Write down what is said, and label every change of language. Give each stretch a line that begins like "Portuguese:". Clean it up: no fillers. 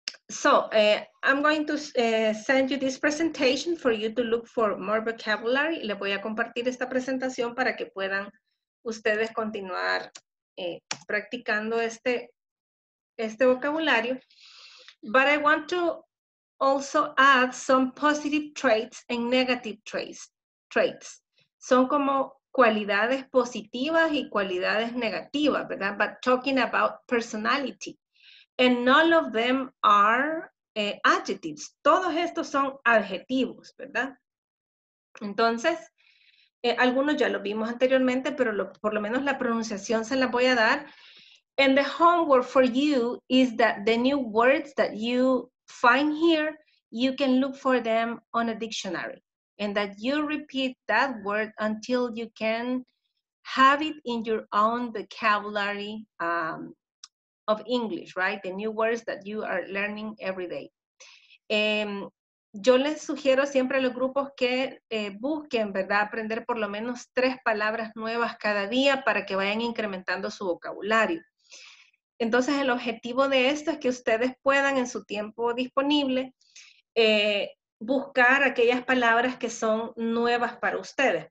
English: So, I'm going to send you this presentation for you to look for more vocabulary.
Spanish: Le voy a compartir esta presentación para que puedan ustedes continuar practicando este vocabulario.
English: But I want to also add some positive traits and negative traits.
Spanish: Son como cualidades positivas y cualidades negativas, ¿verdad?
English: But talking about personality. And all of them are adjectives.
Spanish: Todos estos son adjetivos, ¿verdad? Entonces, algunos ya lo vimos anteriormente, pero por lo menos la pronunciación se la voy a dar.
English: And the homework for you is that the new words that you find here, you can look for them on a dictionary. And that you repeat that word until you can have it in your own vocabulary of English, right? The new words that you are learning every day.
Spanish: Yo les sugiero siempre a los grupos que busquen, ¿verdad? Aprender por lo menos 3 palabras nuevas cada día para que vayan incrementando su vocabulario. Entonces, el objetivo de esto es que ustedes puedan en su tiempo disponible buscar aquellas palabras que son nuevas para ustedes.